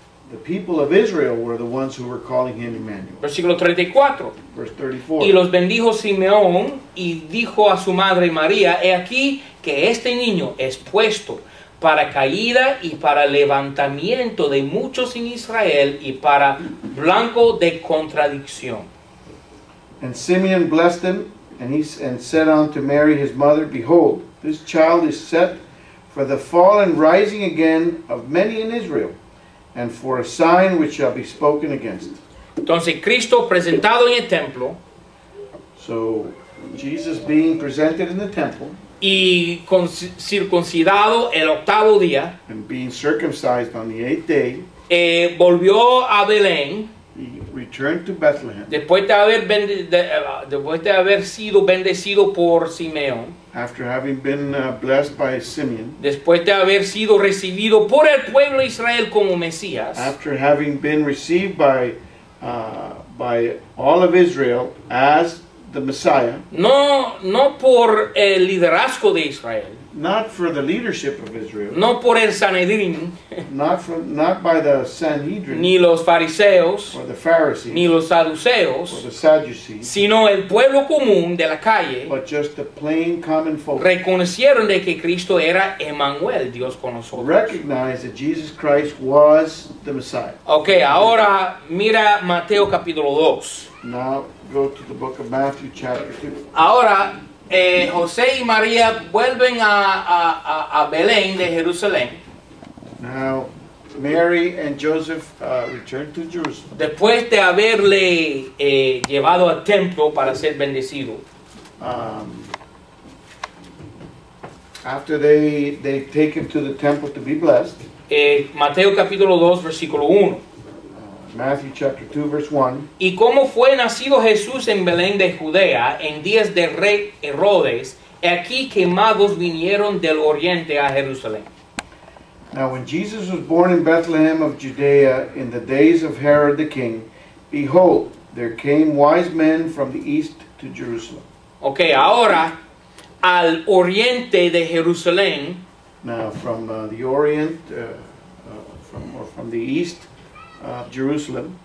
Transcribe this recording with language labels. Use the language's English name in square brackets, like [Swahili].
[English] But the people of Israel were the ones who were calling him Emmanuel. [Spanish] Versículo 34. [English] Verse 34. [Spanish] Y los bendijo Simeón y dijo a su madre María, he aquí que este niño es puesto para caída y para levantamiento de muchos en Israel y para blanco de contradicción. [English] And Simeon blessed him and said unto Mary his mother, behold, this child is set for the fall and rising again of many in Israel. And for a sign which shall be spoken against. [Spanish] Entonces Cristo presentado en el templo. [English] So Jesus being presented in the temple. [Spanish] Y circuncidado el octavo día. [English] And being circumcised on the eighth day. [Spanish] Volvió a Belén. [English] He returned to Bethlehem. [Spanish] Después de haber sido bendecido por Simeón. [English] After having been blessed by Simeon, [Spanish] después de haber sido recibido por el pueblo Israel como Mesías, [English] after having been received by all of Israel as the Messiah, [Spanish] no por el liderazgo de Israel, [English] not for the leadership of Israel, [Spanish] no por el Sanedrín, [English] not by the Sanhedrin, [Spanish] ni los fariseos, [English] or the Pharisees, [Spanish] ni los saduceos, [English] or the Sadducees, [Spanish] sino el pueblo común de la calle, [English] but just the plain common folk, [Spanish] reconocieron de que Cristo era Emmanuel, Dios con nosotros, [English] recognized that Jesus Christ was the Messiah. [Spanish] Okay, ahora mira Mateo capítulo 2. [English] Now go to the book of Matthew chapter 2. [Spanish] Ahora José y María vuelven a Belén de Jerusalén. [English] Now, Mary and Joseph return to Jerusalem. [Spanish] Después de haberle llevado al templo para ser bendecido. [English] After they take him to the temple to be blessed. [Spanish] Mateo capítulo 2, versículo 1. [English] Matthew chapter 2 verse 1. [Spanish] Y cómo fue nacido Jesús en Belén de Judea en días del rey Herodes, aquí que magos vinieron del oriente a Jerusalén. [English] Now when Jesus was born in Bethlehem of Judea in the days of Herod the king, behold, there came wise men from the east to Jerusalem. [Spanish] Okay, ahora al oriente de Jerusalén. [English] Now from the orient from the east. Jerusalem.